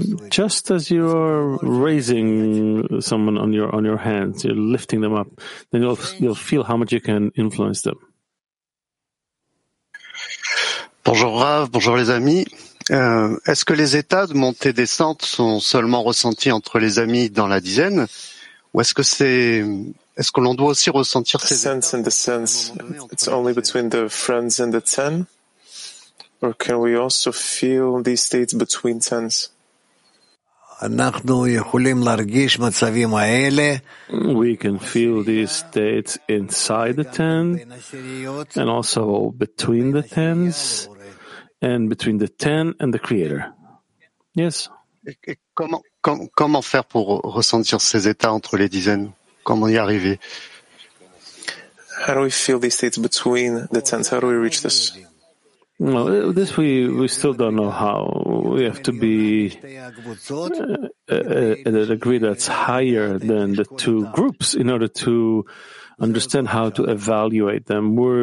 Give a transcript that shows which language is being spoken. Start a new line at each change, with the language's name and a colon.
English: Just as you are raising someone on your hands, you're lifting them up, then you'll feel how much you can influence them.
French: Bonjour Rav, bonjour les amis. Est-ce que les états de montée descente sont seulement ressentis entre les amis dans la dizaine, ou est-ce que l'on doit aussi ressentir ces sense and the sense?
English: It's only between the friends and the ten. Or can we also feel these states between tens? We can feel these states inside the ten, and also between the tens, and between the ten and the Creator. Yes.
French: Comment faire pour ressentir ces états entre les dizaines? Comment y arriver?
English: How do we feel these states between the tens? How do we reach this? No, this we still don't know how. We have to be at a degree that's higher than the two groups in order to understand how to evaluate them.